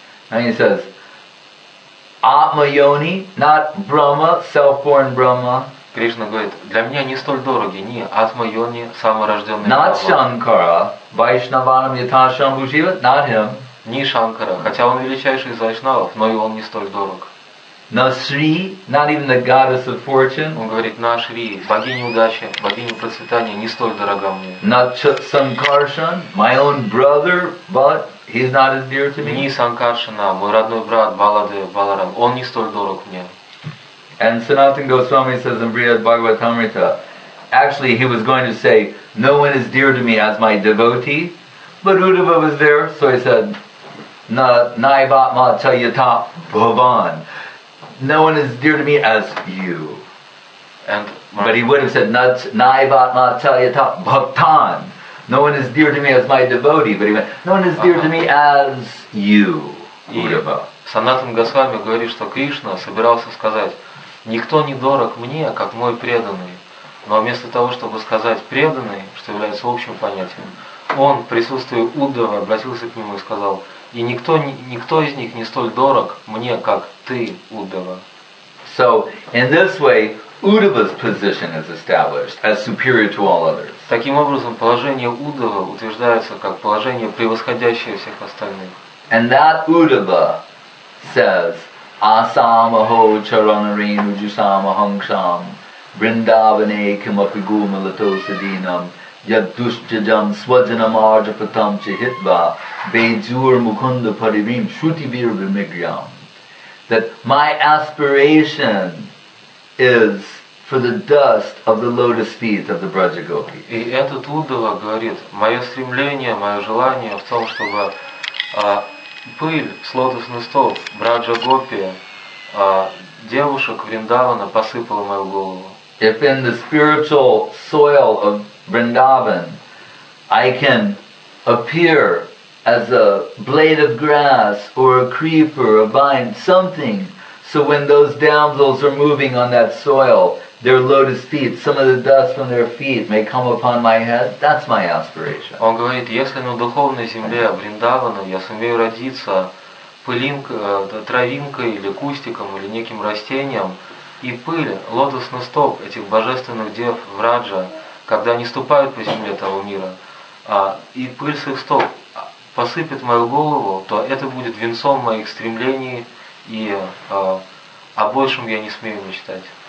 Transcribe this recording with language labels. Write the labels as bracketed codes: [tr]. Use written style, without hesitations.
[en] And he says, Atma Yoni, not Brahma, self-born Brahma. [ru] Кришна говорит, для меня не столь дороги ни Атма Йони, саморожденный Брахма. [en] Not Shankara, [sa] Vaishnavanam Yathashambhu [en] Shiva, not him. [ru] Ни Шанкара, хотя он величайший из вайшнавов, но и он не столь дорог. [sa] На Шри, [en] not even the goddess of fortune. [ru] Он говорит, на Шри, богиня удачи, богиня процветания, не столь дорога мне. [sa] На Санкаршан, [en] my own brother, but he's not as dear to me. [ru] Ни Санкаршана, мой родной брат Баладев Баларам, он не столь дорог мне. [en] And Sanatana Goswami says in Brihad Bhagavatamrita, actually he was going to say, no one is dear to me as my devotee, but Uddhava was there, so he said, [sa] na naivatma chayata bhavan. [en] No one is dear to me as you. And but he would have said, [sa] naivatma chayata bhaktan. [en] No one is dear to me as my devotee, but he went, no one is dear to me as you, Uddhava. [ru] Sanatana Goswami говорит, что Кришна собирался сказать, никто не дорог мне, как мой преданный. Но вместо того, чтобы сказать преданный, что является общим понятием, он, присутствуя Уддхава, обратился к нему и сказал, и никто, никто из них не столь дорог мне, как ты, Уддхава. [en] So, in this way, Uddhava's position is established as superior to all others. [ru] Таким образом, положение Уддхава утверждается как положение, превосходящее всех остальных. [en] And that Uddhava says, [sa] Asamaho charanarenu jusamahangsham Vrindavane kimapi gumalatosadinam Yadduschajam swajanam arjapatam chihitva Bejur mukunda parivim shrutivir vimigyam. [en] That my aspiration is for the dust of the lotus feet of the Brajagopi. [ru] И этот Уддхава говорит, мое стремление, мое желание в том, чтобы пыль с лотосных стоп Браджа-гопи, девушек Вриндавана посыпала мою голову. [en] If in the spiritual soil of Vrindavan I can appear as a blade of grass or a creeper, a vine, something, so when those damsels are moving on that soil, their lotus feet, some of the dust from their feet may come upon my head, that's my aspiration. [ru] Он говорит, если на духовной земле Вриндавана я сумею родиться пылинкой, травинкой или кустиком, или неким растением, и пыль, лотосный стоп этих божественных дев Враджа, когда они ступают по земле того мира, и пыль с их стоп посыпет мою голову, то это будет венцом моих стремлений, и о большем я не смею мечтать.